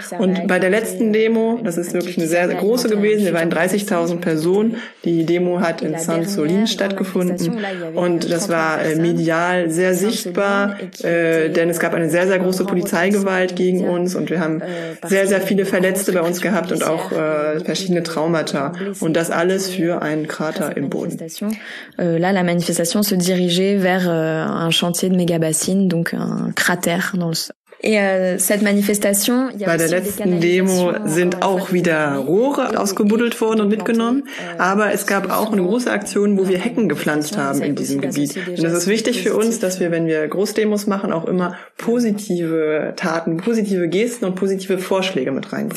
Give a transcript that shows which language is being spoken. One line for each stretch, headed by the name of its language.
German: Und bei der letzten Demo, das ist wirklich eine sehr große gewesen, wir waren 30.000 Personen, die Demo hat in Sainte-Soline stattgefunden und das war medial sehr sichtbar, denn es gab eine sehr, sehr große Polizeigewalt gegen uns und wir haben sehr, sehr viele Verletzte bei uns gehabt und auch verschiedene Traumata. Und das alles für einen Krater im Boden.
French: Là, la manifestation se dirigeait vers un chantier de mégabassine, donc un cratère dans le.
German: Bei der letzten Demo sind auch wieder Rohre ausgebuddelt worden und mitgenommen, aber es gab auch eine große Aktion, wo wir Hecken gepflanzt haben in diesem Gebiet. Und es ist wichtig für uns, dass wir, wenn wir Großdemos machen, auch immer positive Taten, positive Gesten und positive Vorschläge mit reinbringen.